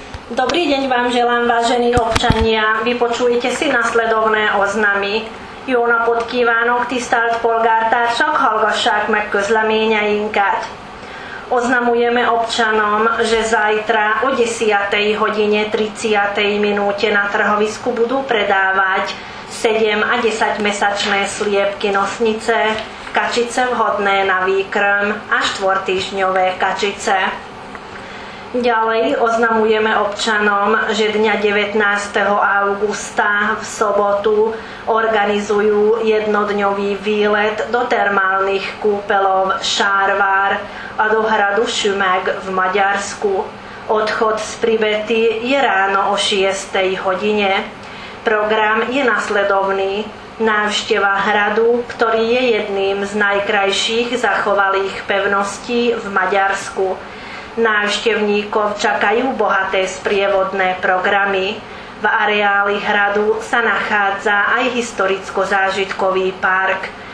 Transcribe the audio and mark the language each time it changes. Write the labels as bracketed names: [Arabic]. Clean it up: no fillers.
[Slovak] Dobrý deň vám želám, vážení občania. Vypočujte si nasledovné oznamy. [Hungarian] Jó napot kívánok, tisztelt polgártársak, hallgassák meg közleményeinket. [Slovak] Oznamujeme občanom, že zajtra o 10. hodine 30. minúte na trhovisku budú predávať 7 a 10 mesačné sliepky nosnice, kačice vhodné na výkrm a štvortýždňové kačice. Ďalej oznamujeme občanom, že dňa 19. augusta v sobotu organizujú jednodňový výlet do termálnych kúpeľov Šárvár a do hradu Šumeg v Maďarsku. Odchod z Pribety je ráno o 6. hodine. Program je nasledovný. Návšteva hradu, ktorý je jedným z najkrajších zachovalých pevností v Maďarsku. Návštevníkov čakajú bohaté sprievodné programy. V areáli hradu sa nachádza aj historicko-zážitkový park.